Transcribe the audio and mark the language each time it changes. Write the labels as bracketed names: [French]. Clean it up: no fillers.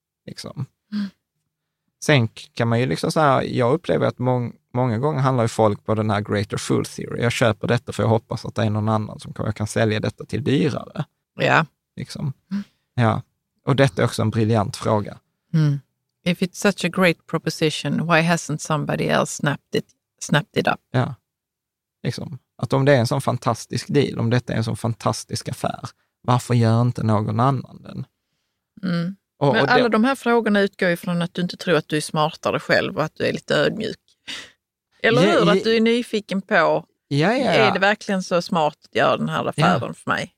[Swedish] Liksom. Sen kan man ju liksom så här, jag upplever att många gånger handlar ju folk på den här greater fool theory. Jag köper detta för jag hoppas att det är någon annan som jag kan sälja detta till dyrare. Ja. Liksom. Ja. Och detta är också en briljant fråga. Mm. [English] If it's such a great proposition, why hasn't somebody else snapped it up? [Swedish] Ja. Liksom. Att om det är en sån fantastisk deal, om detta är en sån fantastisk affär, varför gör inte någon annan den? Mm. Men alla de här frågorna utgår ju från att du inte tror att du är smartare själv och att du är lite ödmjuk. Eller hur? Att du är nyfiken på, är det verkligen så smart att göra den här affären för mig?